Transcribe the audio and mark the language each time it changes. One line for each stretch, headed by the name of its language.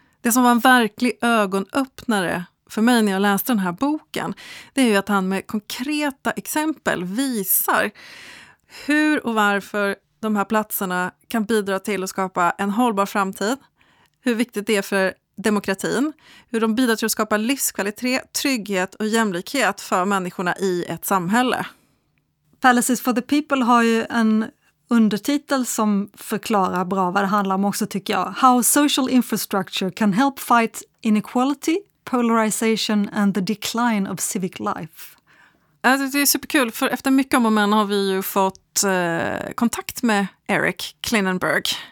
Swedish: Det som var en verklig ögonöppnare för mig när jag läste den här boken, det är ju att han med konkreta exempel visar hur och varför de här platserna kan bidra till att skapa en hållbar framtid, hur viktigt det är för demokratin, hur de bidrar till att skapa livskvalitet, trygghet och jämlikhet för människorna i ett samhälle. Palaces for the People har ju en undertitel som förklarar bra vad det handlar om också, tycker jag.
English: How social infrastructure can help fight inequality, polarization and the decline of civic life.
Swedish: Alltså, det är superkul, för efter mycket om och men har vi ju fått kontakt med Eric Klinenberg.